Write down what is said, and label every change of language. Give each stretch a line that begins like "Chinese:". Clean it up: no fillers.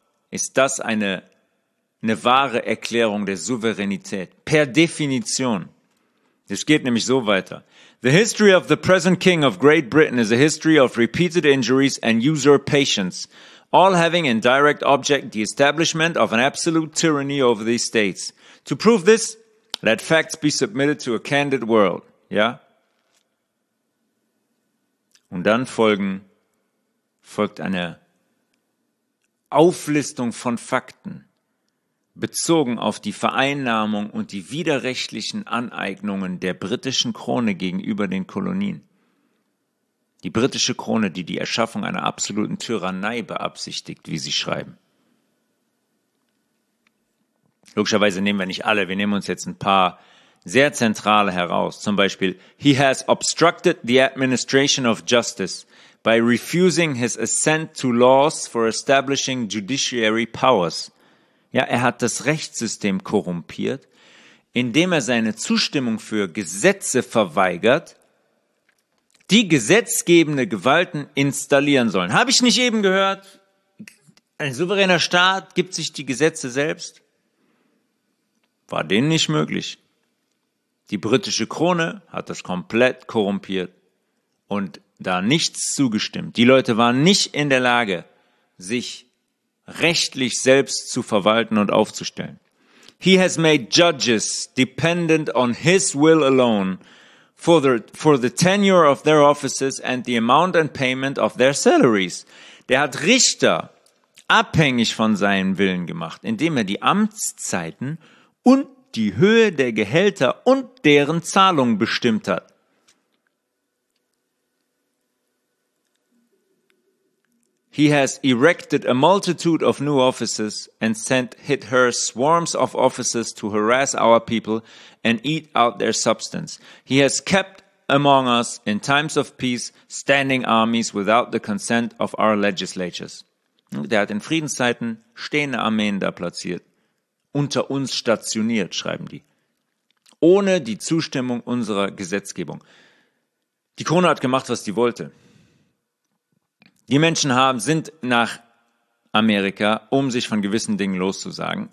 German: Ist das eine wahre Erklärung der Souveränität. Per Definition. Es geht nämlich so weiter.
English: The history of the present king of Great Britain is a history of repeated injuries and usurpations, all having in direct object the establishment of an absolute tyranny over these states. To prove this, let facts be submitted to a candid world.
German: Ja? Und dann folgt eine Auflistung von Fakten bezogen auf die Vereinnahmung und die widerrechtlichen Aneignungen der britischen Krone gegenüber den Kolonien. Die britische Krone, die die Erschaffung einer absoluten Tyrannei beabsichtigt, wie sie schreiben. Logischerweise nehmen wir nicht alle, wir nehmen uns jetzt ein paar sehr zentrale heraus, zum Beispiel,
English: he has obstructed the administration of justice by refusing his assent to laws for establishing judiciary powers.
German: Ja, er hat das Rechtssystem korrumpiert, indem er seine Zustimmung für Gesetze verweigert, die gesetzgebende Gewalten installieren sollen. Habe ich nicht eben gehört? Ein souveräner Staat gibt sich die Gesetze selbst? War denen nicht möglich. Die britische Krone hat das komplett korrumpiert und da nichts zugestimmt. Die Leute waren nicht in der Lage, sich rechtlich selbst zu verwalten und aufzustellen.
English: He has made judges dependent on his will alone for the tenure of their offices and the amount and payment of their salaries.
German: Der hat Richter abhängig von seinem Willen gemacht, indem er die Amtszeiten und die Höhe der Gehälter und deren Zahlung bestimmt hat.
English: He has erected a multitude of new offices and sent hither swarms of officers to harass our people and eat out their substance. He has kept among us in times of peace standing armies without the consent of our legislatures.
German: Der hat in Friedenszeiten stehende Armeen da platziert, unter uns stationiert, schreiben die, ohne die Zustimmung unserer Gesetzgebung. Die Krone hat gemacht, was sie wollte. Die Menschen sind nach Amerika, um sich von gewissen Dingen loszusagen.